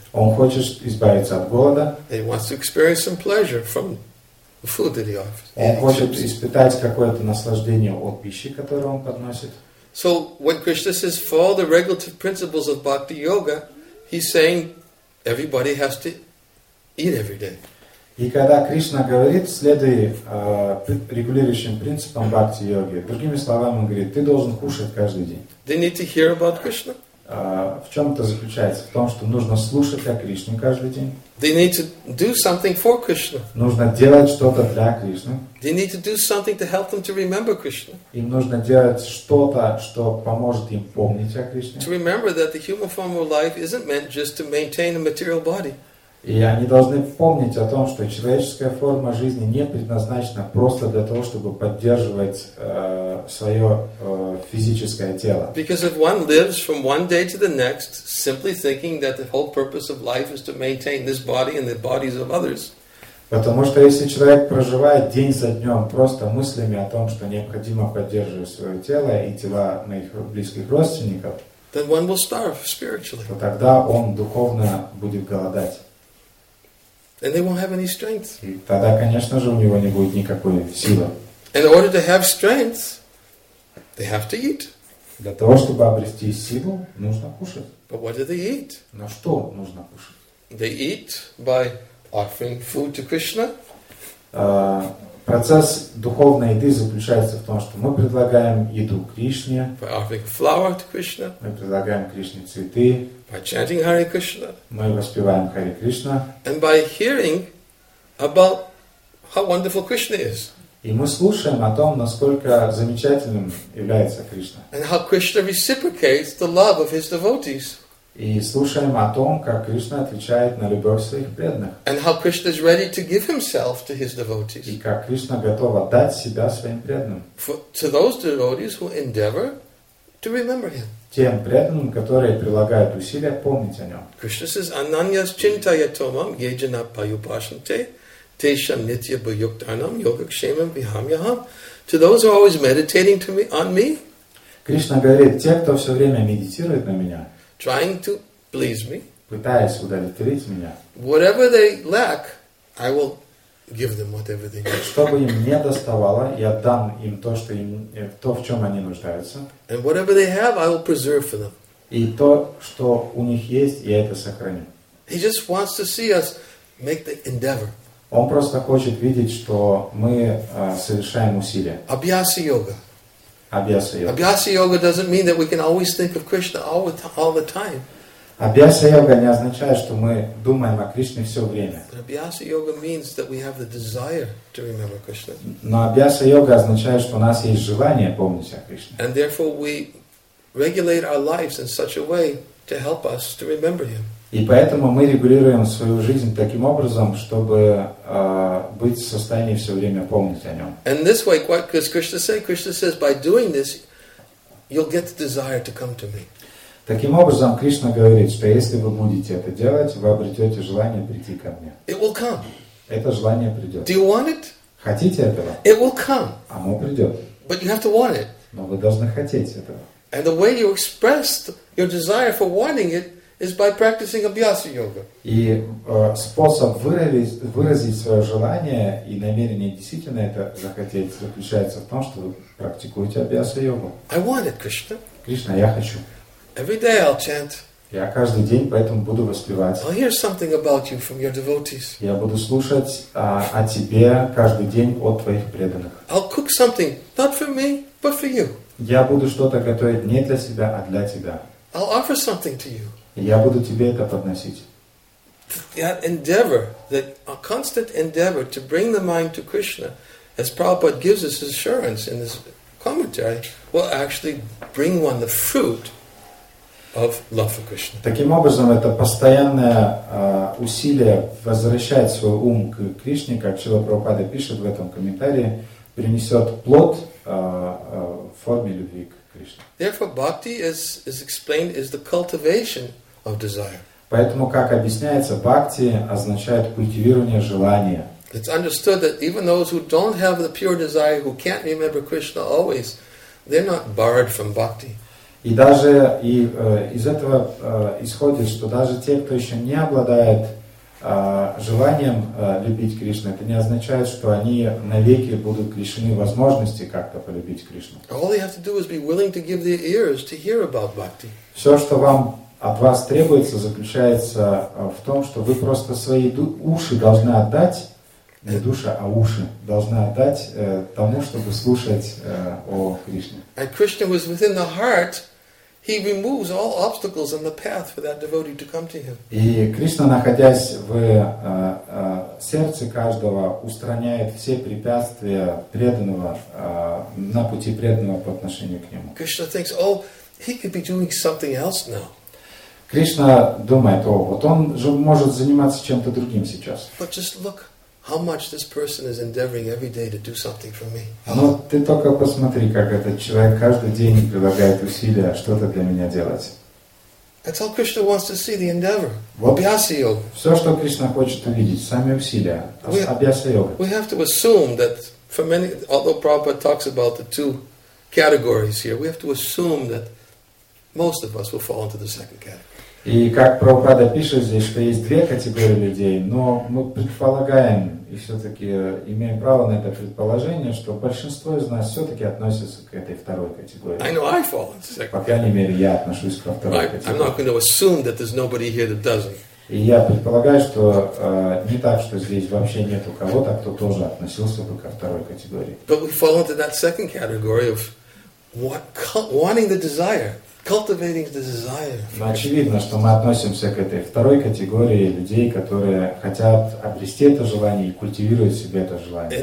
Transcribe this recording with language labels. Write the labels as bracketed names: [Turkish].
[Russian] Он хочет избавиться от голода. [English] And he wants to experience some pleasure from the food that he offers. [Russian] Он хочет испытать какое-то наслаждение от пищи, которую он подносит. [English] So when Krishna says follow the regulative principles of bhakti yoga, he's saying everybody has to eat every day. [Russian] И когда Кришна говорит, следуй регулирующим принципам бхакти йоги, другими словами, он говорит, ты должен кушать каждый день. [English] They need to hear about Krishna. [Russian] В чем это заключается? В том, что нужно слушать о Кришне каждый день. [English] They need to do something for Krishna. [Russian] Нужно делать что-то для Кришны. [English] They need to do something to help them to remember Krishna. [Russian] Им нужно делать что-то, что поможет им помнить о Кришне. [English] To remember that the human form of life isn't meant just to maintain a material body. [Russian] И они должны помнить о том, что человеческая форма жизни не предназначена просто для того, чтобы поддерживать свое физическое тело. [English] Because if one lives from one day to the next, simply thinking that the whole purpose of life is to maintain this body and the bodies of others. [Russian] Потому что если человек проживает день за днем просто мыслями о том, что необходимо поддерживать свое тело и тела моих близких родственников, [English] then one will starve spiritually. [Russian] То тогда он духовно будет голодать. [English] And they won't have any strength. [Russian] Тогда, конечно же, у него не будет никакой силы. [English] In order to have strength, they have to eat. [Russian] Для того, чтобы обрести силу, нужно кушать. [English] But what do they eat? [Russian] На что нужно кушать? [English] They eat by offering food to Krishna. [Russian] Процесс духовной еды заключается в том, что мы предлагаем еду Кришне. [English] By offering flower to Krishna. [Russian] Мы предлагаем Кришне цветы. [English] By chanting Hare Krishna. [Russian] Мы воспеваем Харе Кришна. [English] And by hearing about how wonderful Krishna is. [Russian] И мы слушаем о том, насколько замечательным является Кришна. [English] And how Krishna reciprocates the love of his devotees. [Russian] И слушаем о том, как Кришна отвечает на любовь своих преданных. [English] And how Krishna is ready to give himself to his devotees. [Russian] И как Кришна готова дать себя своим преданным. [English] To those devotees who endeavor to remember him. [Russian] Тем преданным, которые прилагают усилия помнить о нем. [English] Krishna says, [Sanskrit] "Ananyas chintayatomam yejana payupashante tesham nitya bhayuktanam yogakshemam vihamyaham." [English] To those who are always meditating to me, on me. [Russian] Кришна говорит, те, кто все время медитирует на меня. [English] Trying to please me. [Russian] Пытаясь удовлетворить меня. [English] Whatever they lack, I will give them whatever they need. [Russian] Чтобы им не доставало, я дам им то, что им, то, в чем они нуждаются. [English] And whatever they have, I will preserve for them. [Russian] И то, что у них есть, я это сохраню. [English] He just wants to see us make the endeavor. [Russian] Он просто хочет видеть, что мы совершаем усилия. [Sanskrit] Abhyasa yoga. Abhyasa yoga. [English] Abhyasa yoga doesn't mean that we can always think of Krishna all the time. [Russian] Абьяса йога не означает, что мы думаем о Кришне все время. [English] Abhyasa yoga means that we have the desire to remember Krishna. [Russian] Но абьяса йога означает, что у нас есть желание помнить о Кришне. [English] And therefore we regulate our lives in such a way to help us to remember Him. [Russian] И поэтому мы регулируем свою жизнь таким образом, чтобы быть в состоянии все время помнить о Нем. [English] And this way, what does Krishna say? Krishna says, by doing this, you'll get the desire to come to Me. [Russian] Таким образом, Кришна говорит, что если вы будете это делать, вы обретете желание прийти ко Мне. [English] It will come. [Russian] Это желание придет. [English] Do you want it? [Russian] Хотите этого? [English] It will come. [Russian] Оно придет. [English] But you have to want it. [Russian] Но вы должны хотеть этого. [English] And the way you express your desire for wanting it is by practicing Abhyasa yoga. [Russian] И способ выразить свое желание и намерение действительно это захотеть заключается в том, что вы практикуете Абьяса йогу. [English] I want it, Krishna. [Russian] Кришна, я хочу. [English] Every day I'll chant. [Russian] Я каждый день поэтому буду воспевать. [English] I'll hear something about you from your devotees. [Russian] Я буду слушать о тебе каждый день от твоих преданных. [English] I'll cook something not for me, but for you. [Russian] Я буду что-то готовить не для себя, а для тебя. [English] I'll offer something to you. [Russian] Я буду тебе это подносить. [English] That endeavor, that a constant endeavor to bring the mind to Krishna, as Prabhupada gives us assurance in this commentary, will actually bring one the fruit of love for Krishna. [Russian] Таким образом, это постоянное усилие возвращать свой ум к Кришне, как Шрила Прабхупада пишет в этом комментарии, принесет плод в форме любви к Кришне. [English] Therefore, bhakti is explained is the cultivation of desire. [Russian] Поэтому, как объясняется, бхакти означает культивирование желания. [English] It's understood that even those who don't have the pure desire, who can't remember Krishna always, they're not barred from bhakti. [Russian] И даже из этого исходит, что даже те, кто еще не обладает желанием любить Кришну, это не означает, что они навеки будут лишены возможности как-то полюбить Кришну. [English] All they have to do is be willing to give their ears to hear about bhakti. [Russian] Все, что вам от вас требуется, заключается в том, что вы просто свои уши должны отдать, не душа, а уши, должны отдать тому, чтобы слушать о Кришне. [English] And Krishna was within the heart. He removes all obstacles on the path for that devotee to come to Him. [Russian] И Кришна, находясь в сердце каждого, устраняет все препятствия преданного на пути преданного по отношению к Нему. [English] Krishna thinks, oh, he could be doing something else now. [Russian] Кришна думает, о, вот он же может заниматься чем-то другим сейчас. [English] But just look how much this person is endeavoring every day to do something for me. [Russian] Ну, ты только посмотри, как этот человек каждый день прилагает усилия что-то для меня делать. [English] That's all Krishna wants to see, the endeavor. [Sanskrit] Abhyasa yoga. [Russian] Все, что Кришна хочет увидеть, сами усилия. Абьяса йога. [English] We have to assume that for many, although Prabhupada talks about the two categories here, we have to assume that most of us will fall into the second category. [Russian] И как Прабхупада пишет здесь, что есть две категории людей, но мы предполагаем и все-таки имеем право на это предположение, что большинство из нас все-таки относятся к этой второй категории. [English] I know I fall into second. [Russian] По крайней мере, я отношусь ко второй категории. [English] I'm not going to assume that there's nobody here that doesn't. [Russian] И я предполагаю, что не так, что здесь вообще нету кого-то, кто тоже относился бы ко второй категории. [English] But we fall into that second category of wanting the desire. Cultivating the desire. [Russian] Но очевидно, что мы относимся к этой второй категории людей, которые хотят обрести это желание и культивируют в себе это желание.